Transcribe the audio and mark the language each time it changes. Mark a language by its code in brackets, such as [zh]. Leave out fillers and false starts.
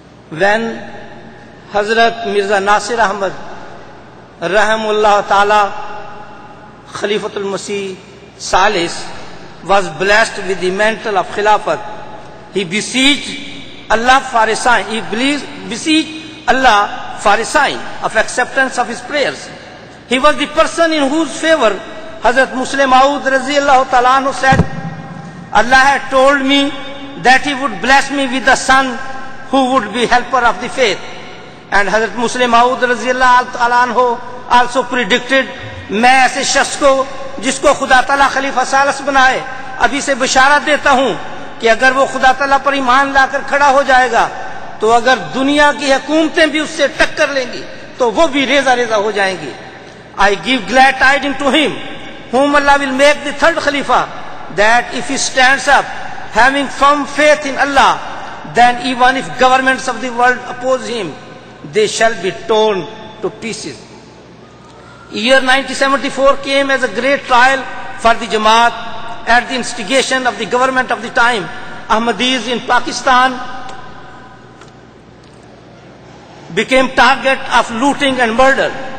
[en] When Hazrat Mirza Nasir Ahmad Rahimullah Ta'ala Khalifatul Masih Salis was blessed with the mantle of Khilafat, he besieged Allah for a sign, of acceptance of his prayers. He was the person in whose favor Hazrat Muslim Aud رضی اللہ تعالیٰ عنہ said, Allah had told me that he would bless me with a son who would be helper of the faith. And Hazrat Muslim Aud رضی اللہ تعالیٰ عنہ also predicted, [ur] میں ایسے شخص کو جس کو خدا تعالیٰ خلیفہ ثالث بنائے ابھی سے بشارت دیتا ہوں کہ اگر وہ خدا تعالیٰ پر ایمان لا کر کھڑا ہو جائے گا تو اگر دنیا کی حکومتیں بھی اس سے ٹکر لیں گی تو وہ بھی ریزہ ریزہ ہو جائیں گی. [en] I give glad tidings to him whom Allah will make the third خلیفہ, that if he stands up having firm faith in Allah, then even if governments of the world oppose him, they shall be torn to pieces. Year 1974 came as a great trial for the Jamaat at the instigation of the government of the time, Ahmadis in Pakistan became target of looting and murder.